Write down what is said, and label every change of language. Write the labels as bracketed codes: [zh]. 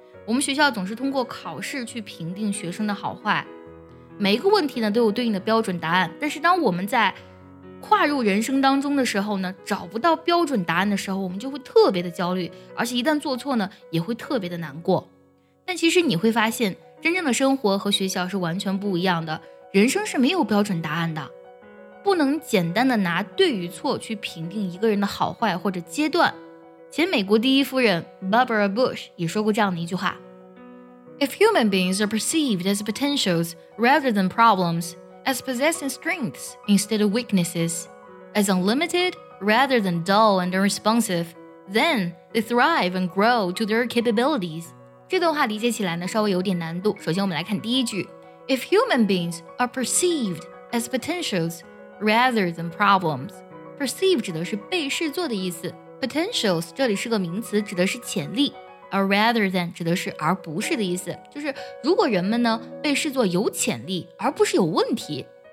[zh] 我们学校总是通过考试去评定学生的好坏，每一个问题呢都有对应的标准答案，但是当我们在跨入人生当中的时候呢，找不到标准答案的时候，我们就会特别的焦虑，而且一旦做错呢也会特别的难过。但其实你会发现，真正的生活和学校是完全不一样的，人生是没有标准答案的，不能简单的拿对与错去评定一个人的好坏或者阶段。前美国第一夫人 Barbara Bush 也说过这样的一句话， [en] If human beings are perceived as potentials rather than problems, as possessing strengths instead of weaknesses, as unlimited rather than dull and unresponsive, then they thrive and grow to their capabilities. [zh] 这段话理解起来呢稍微有点难度。首先我们来看第一句， [en] If human beings are perceived as potentials rather than problems, [zh] perceive 指的是被视作的意思， potentials 这里是个名词，指的是潜力。而 rather than 指的是而不是的意思，就是如果人们呢被视作有潜力而不是有问题。